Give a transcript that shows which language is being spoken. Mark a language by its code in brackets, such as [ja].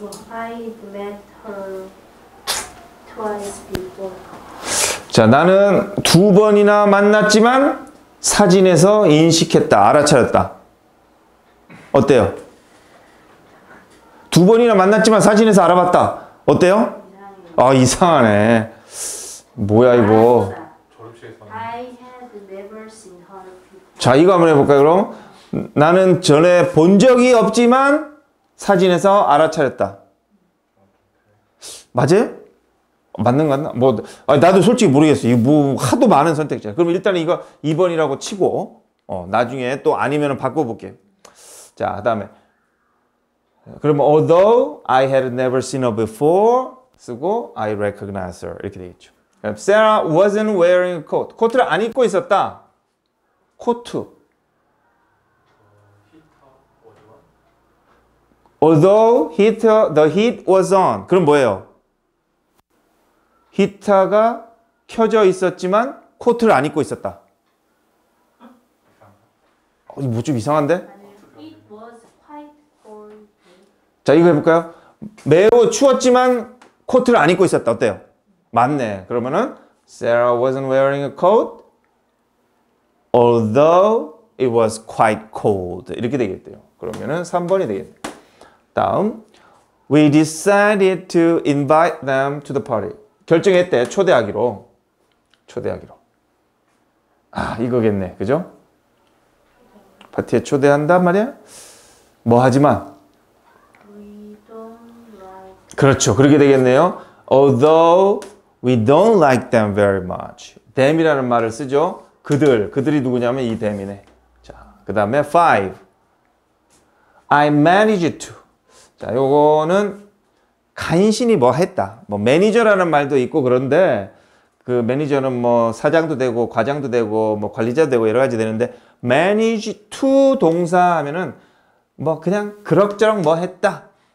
[en] I've met her twice before. [ko] 자, 나는 두 번이나 만났지만 사진에서 인식했다, 알아차렸다. 어때요? 두 번이나 만났지만 사진에서 알아봤다. 어때요? 이상하네. 뭐야 이거. [en] I had never seen her before. [ko] 자, 이거 한번 해볼까요 그럼? 나는 전에 본 적이 없지만 사진에서 알아차렸다. 맞아요? 맞는 것 같나? 나도 솔직히 모르겠어. 이거 하도 많은 선택지야. 그럼 일단 이거 2번이라고 치고, 나중에 또 아니면 바꿔볼게. 자, 그 다음에. [en] 그러면, although I had never seen her before, 쓰고, I recognize her. [ko] 이렇게 되겠죠. [en] Sarah wasn't wearing a coat. [ko] 코트를 안 입고 있었다. [en] 코트. Although heater, the heat was on. [ko] 그럼 뭐예요? 히터가 켜져 있었지만 코트를 안 입고 있었다. 뭐 좀 이상한데? [en] It was quite cold. [ko] 자, 이거 해볼까요? 매우 추웠지만 코트를 안 입고 있었다. 어때요? 맞네. [en] 그러면은 Sarah wasn't wearing a coat. Although it was quite cold. [ko] 이렇게 되겠대요. 그러면은 3번이 되겠네요. [en] 다음 We decided to invite them to the party. [ko] 결정했대. 초대하기로. 초대하기로. 아, 이거겠네. 그죠? 파티에 초대한단 말이야? 뭐 하지만? [en] We don't like them. [ko] 그렇죠. 그렇게 되겠네요. [en] Although we don't like them very much. [ko] them이라는 말을 쓰죠. 그들. 그들이 누구냐면 이 them이네. 자, 그 다음에 [en] five. I managed to. [ko] 자, 요거는 간신히 뭐 했다. 뭐 매니저라는 말도 있고 그런데 그 매니저는 뭐 사장도 되고 과장도 되고 뭐 관리자도 되고 여러 가지 되는데 manage to 동사 하면은 뭐 그냥 그럭저럭 뭐 했다.